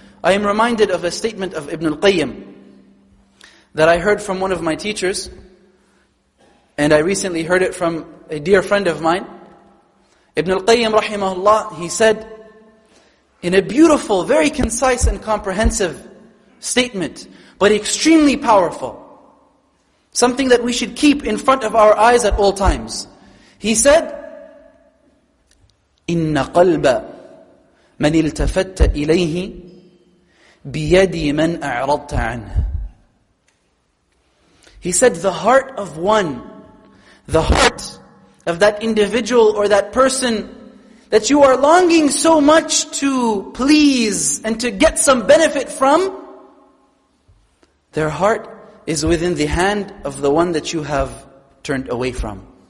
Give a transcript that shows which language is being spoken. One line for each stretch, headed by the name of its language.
English: I am reminded of a statement of Ibn al-Qayyim that I heard from one of my teachers, and I recently heard it from a dear friend of mine. Ibn al-Qayyim rahimahullah, he said, in a beautiful, very concise and comprehensive statement, but extremely powerful, something that we should keep in front of our eyes at all times. He said,
Arabic: إِنَّ قَلْبَ مَنِ الْتَفَتَّ إِلَيْهِ بِيَدِي مَنْ أَعْرَضْتَ عَنْهِ.
English: He said, the heart of one, the heart of that individual or that person that you are longing so much to please and to get some benefit from, their heart is within the hand of the one that you have turned away from.